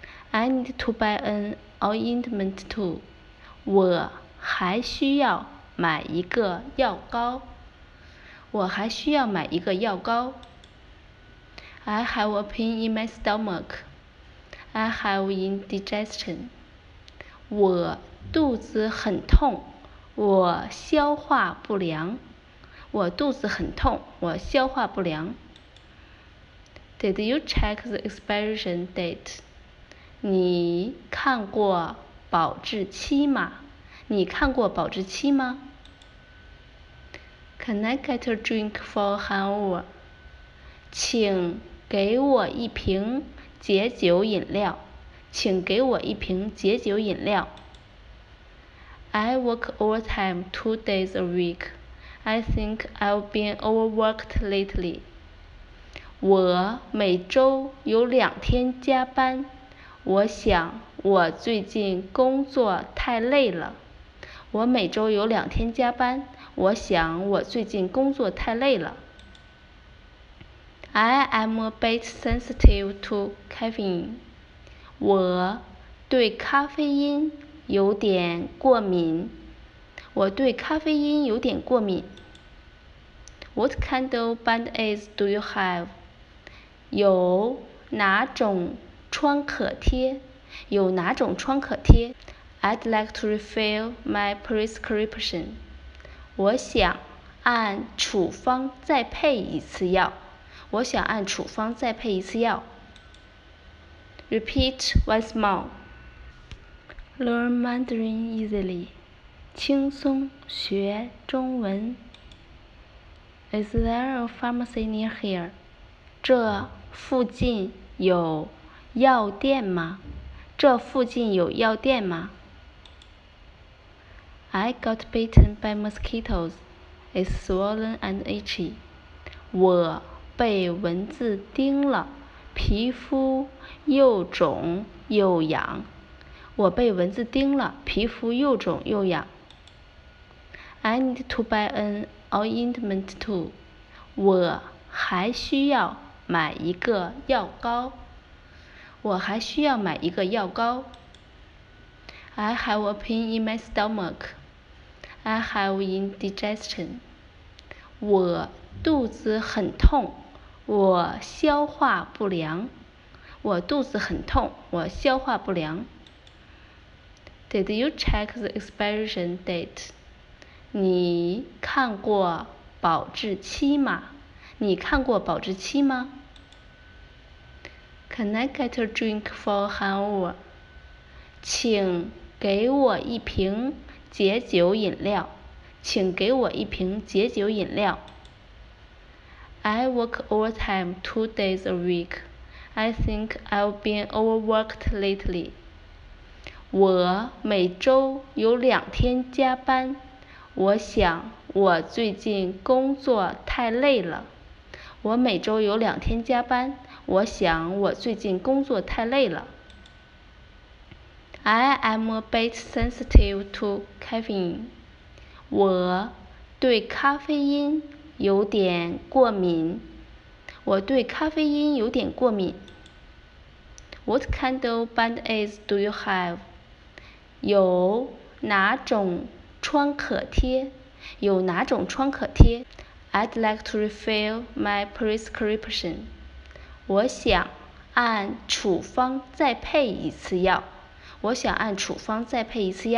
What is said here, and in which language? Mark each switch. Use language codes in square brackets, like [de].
[en] I need to buy an ointment too. [zh] 我还需要买一个药膏。我还需要买一个药膏。 [en] I have a pain in my stomach. I have indigestion. [zh] 我肚子很痛，我消化不良。我肚子很痛，我消化不良。 [en] Did you check the expiration date? [zh] 你看过保质期吗？你看过保质期吗？ [en] Can I get a drink for a hangover? [zh] 请给我一瓶解酒饮料。请给我一瓶解酒饮料。 [en] I work overtime 2 days a week. I think I've been overworked lately. [zh] 我每周有2天加班，我想我最近工作太累了。我每周有2天加班，我想我最近工作太累了。 [en] I am a bit sensitive to caffeine. [zh] 我对咖啡因有点过敏。我对咖啡因有点过敏。 [en] What kind of band-aids do you have? [zh] 有哪种创可贴？有哪种创可贴 ？ [en] I'd like to refill my prescription. [zh] 我想按处方再配一次药。我想按处方再配一次药。 [en] Repeat once more. Learn Mandarin easily. [zh] 轻松学中文。 [en] Is there a pharmacy near here? [zh] 这附近有药店吗？这附近有药店吗？ [en] I got bitten by mosquitoes. It's swollen and itchy. [zh] 我被蚊子叮了，皮肤又肿又痒。我被蚊子叮了，皮肤又肿又痒。 [en] I need to buy an ointment too. [zh] 我还需要买一个药膏，我还需要买一个药膏。 [en] I have a pain in my stomach. I have indigestion. [zh] 我肚子很痛，我消化不良。我肚子很痛，我消化不良。 [en] Did you check the expiration date? [zh] 你看过保质期吗？你看过保质期吗？ [en] Can I get a drink for a hangover? [zh] 请给我一瓶解酒饮料。请给我一瓶解酒饮料。 [en] I work overtime 2 days a week. I think I've been overworked lately. [zh] 我每周有2天加班。我想我最近工作太累了。我每周有2天加班，我想我最近工作太累了。 [en] I am a bit sensitive to caffeine. [zh] 我对咖啡因有点过敏。我对咖啡因有点过敏。 [en] What kind of band-aids do you have? [zh] 有哪种创可贴？有哪种创可贴？ [en] I'd like to refill my prescription. [zh] 我想按处方再配一次药。我想按处方再配一次药。